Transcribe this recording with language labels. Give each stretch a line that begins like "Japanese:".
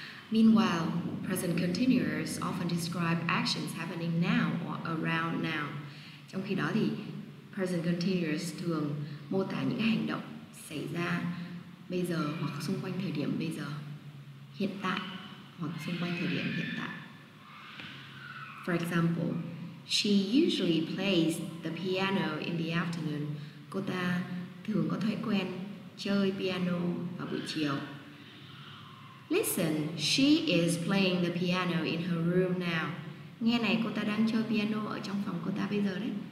English: Meanwhile, present continuous often describe actions happening now or around now.
Vietnamese: Trong khi đó thì present continuous thường mô tả những hành động xảy ra bây giờ hoặc xung quanh thời điểm bây giờ, hiện tại hoặc xung quanh thời điểm hiện tại.
English: For example, she usually plays the piano in the afternoon.
Vietnamese: Cô ta thường có thói quen chơi piano vào buổi chiều.
English: Listen, she is playing the piano in her room now.
Vietnamese: Nghe này, cô ta đang chơi piano ở trong phòng cô ta bây giờ đấy.